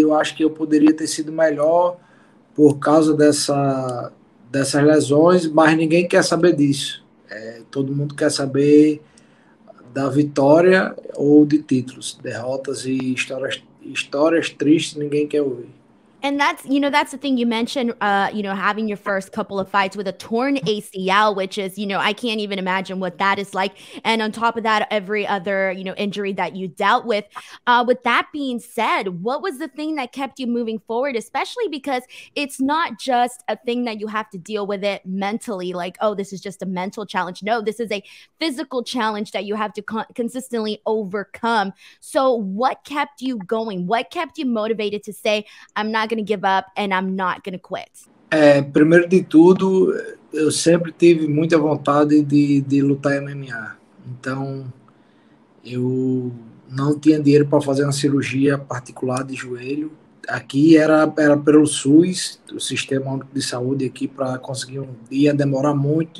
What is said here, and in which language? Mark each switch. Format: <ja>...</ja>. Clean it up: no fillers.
<pt>Eu acho que eu poderia ter sido melhor por causa dessas lesões, mas ninguém quer saber disso. Todo mundo quer saber da vitória ou de títulos, derrotas e histórias tristes, ninguém quer ouvir.</pt> <en>And that's, you know, that's the thing you mentioned, you know, having your first couple of fights with a torn ACL, which is, you know, I can't even imagine what that is like. And on top of that, every other, you know, injury that you dealt with that being said, what was the thing that kept you moving forward, especially because it's not just a thing that you have to deal with it mentally, like, oh, this is just a mental challenge. No, this is a physical challenge that you have to consistently overcome. So what kept you going? What kept you motivated to say, I'm not going to give up and I'm not going to quit?</en> <pt>Primeiro de tudo, eu sempre tive muita vontade de lutar MMA. Então, eu não tinha dinheiro para fazer uma cirurgia particular de joelho. Aqui era pelo SUS, o Sistema Único de Saúde aqui, para conseguir um dia demorar muito.</pt>